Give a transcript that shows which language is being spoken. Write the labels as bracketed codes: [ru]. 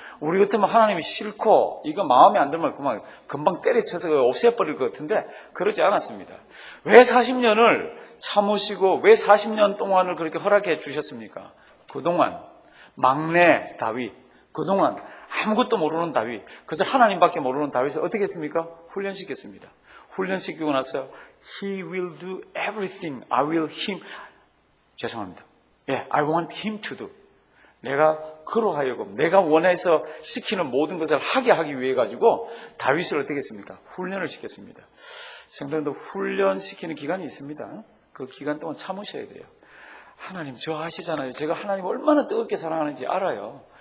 [ko] 우리 같으면 하나님이 싫고 이거 마음에 안 들면 그만 금방 때려쳐서 없애버릴 것 같은데 그러지 않았습니다. 왜 40년을 참으시고 왜 40년 동안을 그렇게 허락해 주셨습니까? 그동안 막내 다윗, 그동안 아무것도 모르는 다윗, 그래서 하나님밖에 모르는 다윗을 어떻게 했습니까? 훈련시켰습니다. 훈련시키고 나서 [en] He will do everything I will him. [ko] 죄송합니다. 예, [en] I want him to do. [ko] 내가 그로 하여금 내가 원해서 시키는 모든 것을 하게 하기 위해 가지고 다윗을 어떻게 했습니까? 훈련을 시켰습니다. 성도님도 훈련시키는 기간이 있습니다. 그 기간 동안 참으셔야 돼요. 하나님 저 아시잖아요. 제가 하나님 얼마나 뜨겁게 사랑하는지 알아요.